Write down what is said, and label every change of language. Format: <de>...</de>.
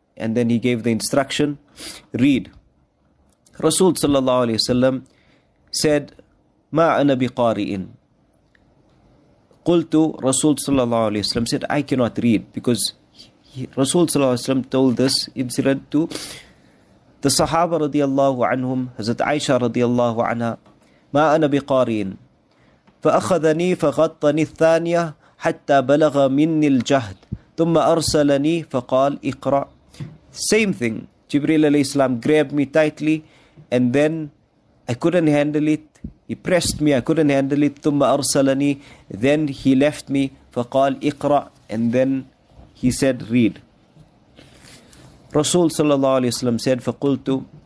<en>And then he gave the instruction, read. Rasul sallallahu alayhi wa sallam said,</en> <ar>مَا أَنَا بِقَارِئٍ. قُلْتُ.</ar> <en>Rasul sallallahu alayhi wa sallam said, I cannot read, because Rasul sallallahu alayhi wa sallam told this incident to the Sahaba radiallahu anhum, Hazrat Aisha radiallahu anha.</en> <ar>مَا أَنَا بِقَارِئٍ. فأخذني فغطني الثانية حتى بلغ مني الجهد ثم أرسلني فقال اقرأ.</ar> <en>Same thing. Jibreel alayhi salam grabbed me tightly and then I couldn't handle it. He pressed me, I couldn't handle it.</en> <ar>ثم أرسلني.</ar> <en>Then he left me.</en> <ar>فقال اقرأ.</ar> <en>And then he said, read. Rasul sallallahu alayhi salam said,</en> <ar>فقلت.</ar>